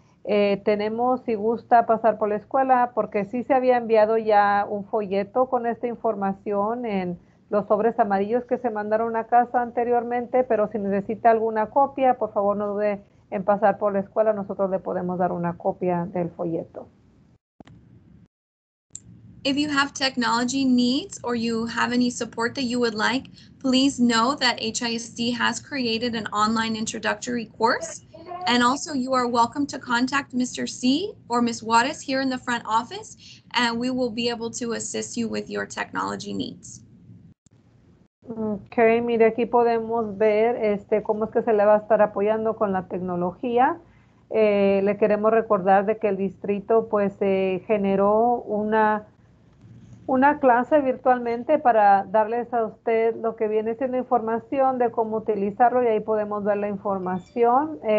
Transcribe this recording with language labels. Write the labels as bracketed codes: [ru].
[es] Tenemos si gusta pasar por la escuela porque sí se había enviado ya un folleto con esta información en los sobres amarillos que se mandaron a casa anteriormente, pero si necesita alguna copia, por favor no dude en pasar por la escuela, nosotros le podemos dar una copia del folleto. [en] If you have technology needs or you have any support that you would like, please know that HISD has created an online introductory course. And also, you are welcome to contact Mr. C or Ms. Juarez here in the front office, and we will be able to assist you with your technology needs. [es] Okay, mire, aquí podemos ver cómo es que se le va a estar apoyando con la tecnología. Le queremos recordar de que el distrito pues generó una clase virtualmente para darles a usted lo que viene siendo información de cómo utilizarlo y ahí podemos ver la información.